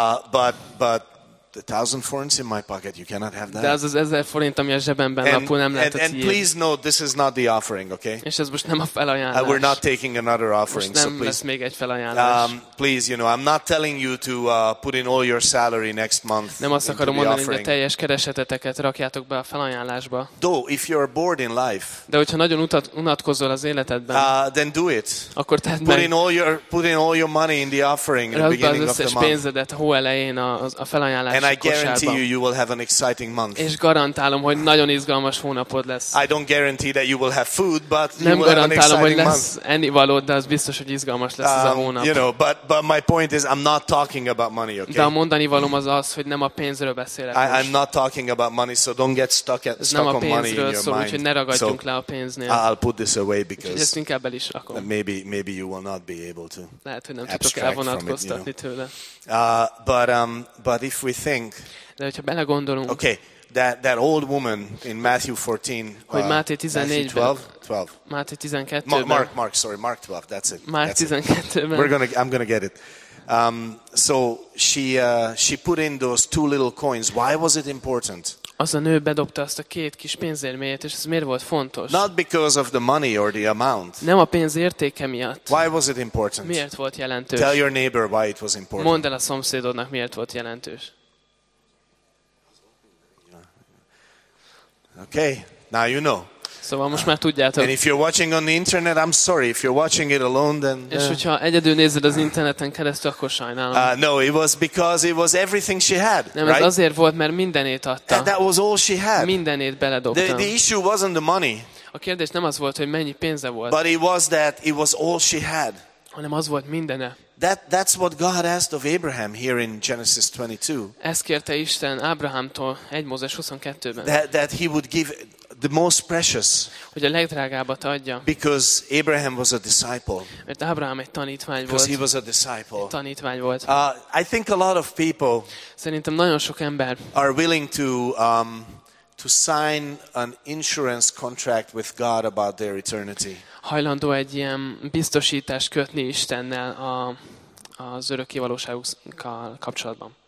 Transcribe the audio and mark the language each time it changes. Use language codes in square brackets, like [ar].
[en] But the 1,000 forints in my pocket, you cannot have that. [hu] Az 1,000 forint, ami a zsebemben, napul nem lehet a tiéd. [en] And please note, this is not the offering, okay? [hu] És ez most nem a felajánlás. [en] We're not taking another offering, [hu] most nem [en] so please. [hu] Lesz még egy felajánlás. [en] Please, you know, I'm not telling you to put in all your salary next month. [hu] Nem azt akarom mondani, [en] offering. [hu] Hogy a teljes kereseteteket rakjátok be a felajánlásba. [en] Though, if you're bored in life, [hu] de hogyha nagyon unatkozol az életedben, [en] then do it. [hu] Akkor tedd meg. [en] Put in all your money in the offering at the beginning of the month. [hu] Rakd be az összes pénzedet hó elején a felajánlás. [en] And I guarantee you will have an exciting month. [hu] És garantálom, hogy nagyon izgalmas hónapod lesz. [en] I don't guarantee that you will have food, but [hu] nem [en] you will have an exciting [hu] hogy lesz [en] month. [hu] Ennivalót, de az biztos, hogy izgalmas lesz ez a hónap. [en] You know, but my point is I'm not talking about money, okay? [hu] De a mondanivalom az az, hogy nem a pénzről beszélek. [en] I'm not talking about money, so don't get stuck [hu] nem [en] on [hu] pénzről, [en] money in your [hu] szó, [en] mind. [hu] Úgyhogy ne ragadjunk [en] so, [hu] le a pénznél. [en] I'll put this away because [hu] ezt inkább el is rakom. [en] Maybe you will not be able to. [hu] Lehet, hogy nem tudok elvonatkoztatni [en] it, you know. [hu] Tőle. [en] But if we think, [hu] de hogyha belegondolunk, [en] okay, that old woman in Matthew 14, [hu] hogy Máté 14-ben, [en] 12, [hu] Máté 12-ben, [en] Mark 12, that's it. [hu] Mark 12-ben. [en] I'm gonna get it. So she put in those two little coins. Why was it important? [hu] Az a nő bedobta azt a két kis pénzérmét, és ez miért volt fontos? [en] Not because of the money or the amount. [hu] Nem a pénz értéke miatt. [en] Why was it important? [hu] Miért volt jelentős? [en] Tell your neighbor why it was important. [hu] Mondd el a szomszédodnak, miért volt jelentős. [en] Okay, now you know. [hu] Szóval most már tudjátok. [en] And if you're watching on the internet, I'm sorry. If you're watching it alone, then. [hu] És hogyha egyedül nézed az interneten keresztül, akkor sajnálom. [en] No, it was because it was everything she had. [hu] Nem, ez azért volt, mert mindenét adta. [en] That was all she had. [hu] Mindenét beledobta. [en] The issue wasn't the money. [hu] A kérdés nem az volt, hogy mennyi pénze volt. [en] But it was that it was all she had. [hu] Hanem az volt mindene. [en] That's what God asked of Abraham here in Genesis 22. [hu] Ezt kérte Isten Ábrahámtól 1 Mózes 22-ben. [en] That he would give the most precious. [hu] Hogy a legdrágábbat adja. [en] Because Abraham was a disciple. [hu] Mert Ábrahám egy tanítvány volt. [en] Because he was a disciple. [hu] Egy tanítvány volt. [en] I think a lot of people. [hu] Szerintem nagyon sok ember. [en] Are willing to sign an insurance contract with God about their eternity. [hu] Hajlandó egy ilyen biztosítást kötni Istennel az örökké valóságukkal kapcsolatban.